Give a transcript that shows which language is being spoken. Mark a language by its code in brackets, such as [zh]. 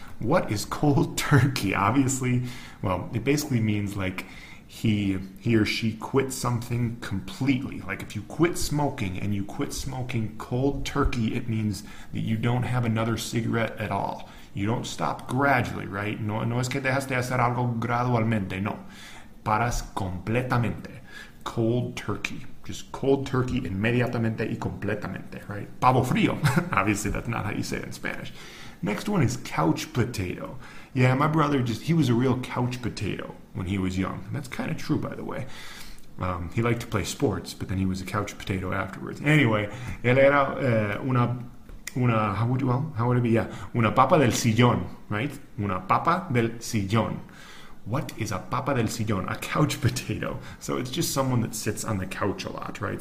[en] What is cold turkey? Obviously, well, it basically means like he or she quit something completely. Like if you quit smoking and you quit smoking cold turkey, it means that you don't have another cigarette at all. You don't stop gradually, right? [es] No, no es que dejas de hacer algo gradualmente, no. Paras completamente. Cold turkey. [en] Just cold turkey [es] inmediatamente y completamente, [en] right? [es] Pavo frío. [en] Obviously, that's not how you say it in Spanish. Next one is couch potato. Yeah, my brother he was a real couch potato when he was young. And that's kind of true, by the way. He liked to play sports, but then he was a couch potato afterwards. Anyway, [es] él era una papa del sillón, [en] right? [es] Una papa del sillón. [en] What is a papa del sillón? A couch potato. So it's just someone that sits on the couch a lot, right?